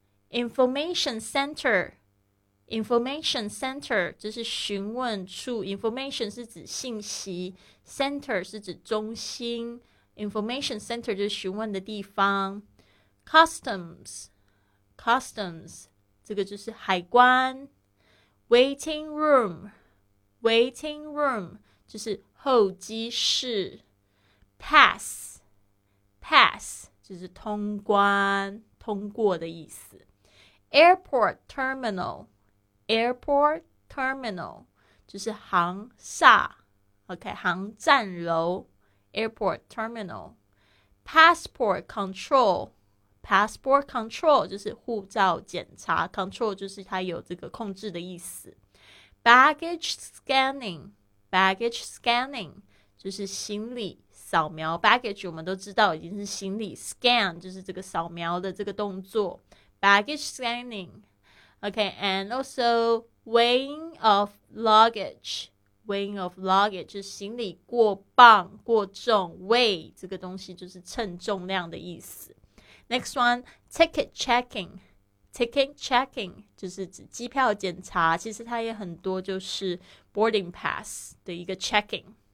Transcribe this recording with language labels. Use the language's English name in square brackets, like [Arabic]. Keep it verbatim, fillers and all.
[Chinese] information center information center 就是询问处， information 是指信息， center 是指中心， information center 就是询问的地方。 customs customs 这个就是海关。 waiting room waiting room 就是候机室。 pass pass 就是通关通过的意思。 airport terminal Airport Terminal 就是航厦 OK 航站楼 Airport Terminal。 Passport Control Passport Control 就是护照检查， Control 就是它有这个控制的意思。 Baggage Scanning Baggage Scanning 就是行李扫描， Baggage 我们都知道已经是行李， Scan 就是这个扫描的这个动作， Baggage Scanning。 [English] Okay, and also weighing of luggage. [Chinese] Weighing of luggage 就是行李过磅过重， weigh 这个东西就是称重量的意思。 Next one, ticket checking. Ticket checking 就是指机票检查，其实它也很多就是 boarding pass 的一个 checking。